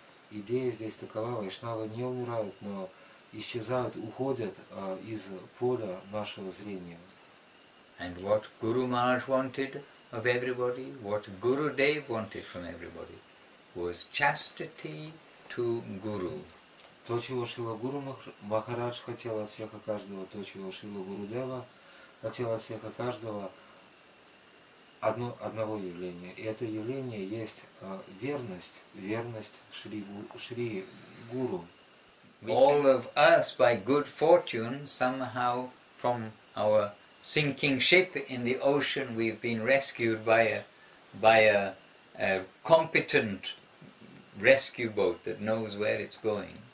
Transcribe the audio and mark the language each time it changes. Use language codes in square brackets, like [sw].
[ru] Идея здесь такова: вайшнавы не умирают, но исчезают, уходят из поля нашего зрения. [en] And what Guru Maharaj wanted of everybody, what Guru Dev wanted from everybody, was chastity to Guru. [ru] То, чего Шрила Гуру Махарадж хотел от всех и каждого, то, чего Шрила Гуру Дева хотел от всех и каждого, одного явления. И это явление есть верность Шри Гуру. [en] All of us, by good fortune, somehow from our sinking ship in the ocean, we've been rescued by a competent rescue boat that knows where it's going.